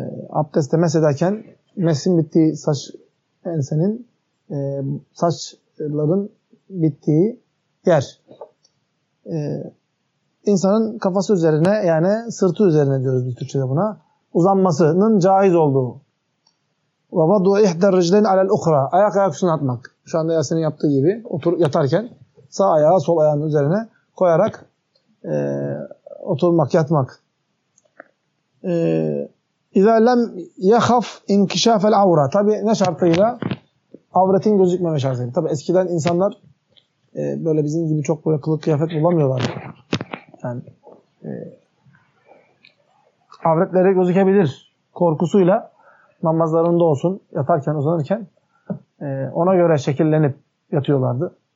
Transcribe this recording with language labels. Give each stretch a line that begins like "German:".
Turkish: Abdeste mesh ederken mesh'in bittiği saç, ensenin saçların bittiği yer. İnsanın kafası üzerine, yani sırtı üzerine diyoruz biz Türkçe'de buna, uzanmasının caiz olduğu.
Arabic: وَوَضُوا اِحْدَ الرِّجْلَيْنِ عَلَى الْاُخْرَى
Turkish: Ayak ayak üstüne atmak. Şu anda Yasin'in yaptığı gibi otur yatarken sağ ayağı sol ayağının üzerine koyarak oturmak, yatmak.
Arabic: اِذَا لَمْ يَخَفْ اِنْكِشَافَ الْعَوْرَى
Turkish: Tabi ne şartıyla? Avretin gözükmeme şartıyla. Tabi eskiden insanlar böyle bizim gibi çok böyle kılık kıyafet bulamıyorlar. Yani avretleri gözükebilir korkusuyla namazlarında olsun, yatarken, uzanırken ona göre şekillenip yatıyorlardı.